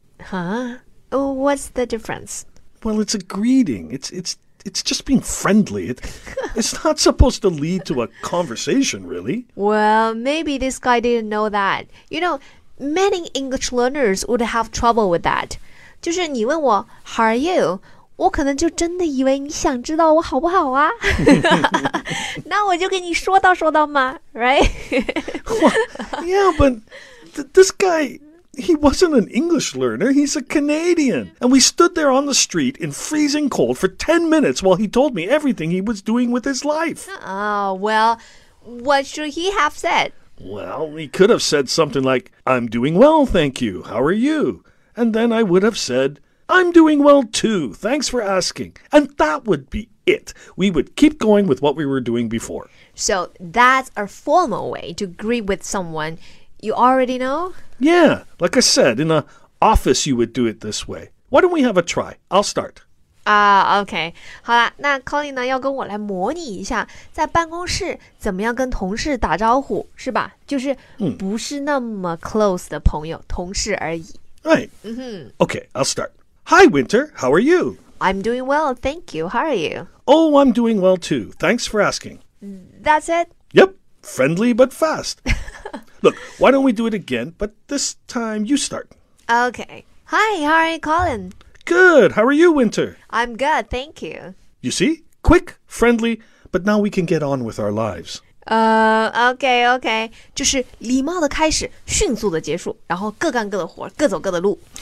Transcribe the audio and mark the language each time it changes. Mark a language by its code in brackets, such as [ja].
[en] Huh? What's the difference? Well, it's a greeting. It's just being friendly. It's not supposed to lead to a conversation, really. Well, maybe this guy didn't know that. You know, many English learners would have trouble with that. [zh] 就是你问我, [en] how are you? [zh] 我可能就真的以为你想知道我好不好啊那我就跟你说到嘛 [en] right? Well, yeah, but this guy, he wasn't an English learner, he's a Canadian. And we stood there on the street in freezing cold for 10 minutes while he told me everything he was doing with his life. Oh, well, what should he have said? Well, he could have said something like, I'm doing well, thank you, how are you? And then I would have said... I'm doing well, too. Thanks for asking. And that would be it. We would keep going with what we were doing before. So that's a formal way to greet with someone you already know? Yeah. Like I said, in an office, you would do it this way. Why don't we have a try? I'll start. Okay. [zh] 好啦那 Colin 呢要跟我来模拟一下在办公室怎么样跟同事打招呼是吧就是不是那么 close 的朋友同事而已。 [en] Right. Okay, I'll start. Hi, Winter. How are you? I'm doing well, thank you. How are you? Oh, I'm doing well, too. Thanks for asking. That's it? Yep. Friendly but fast. Look, why don't we do it again, but this time you start. Okay. Hi, how are you, Colin? Good. How are you, Winter? I'm good, thank you. You see? Quick, friendly, but now we can get on with our lives. Okay. [zh] 就是礼貌的开始迅速的结束然后各干各的活各走各的路。